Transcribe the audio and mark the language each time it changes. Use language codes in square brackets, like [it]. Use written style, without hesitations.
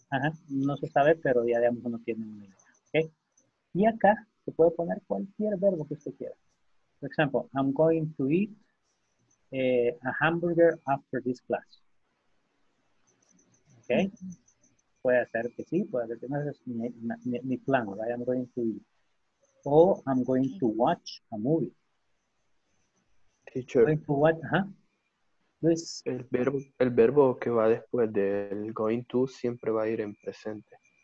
[es] Ajá, no se sabe, pero ya digamos uno tiene una idea. ¿Okay? Y acá se puede poner cualquier verbo que usted quiera. Por ejemplo, [en] I'm going to eat a hamburger after this class. ¿Ok? [es] Puede ser que sí, puede ser que no, es mi plan, ¿verdad? [en] I'm going to eat. O I'm going to watch a movie. Teacher. I'm going to watch, ajá. Luis. [es] El verbo que va después del going to siempre va a ir en presente.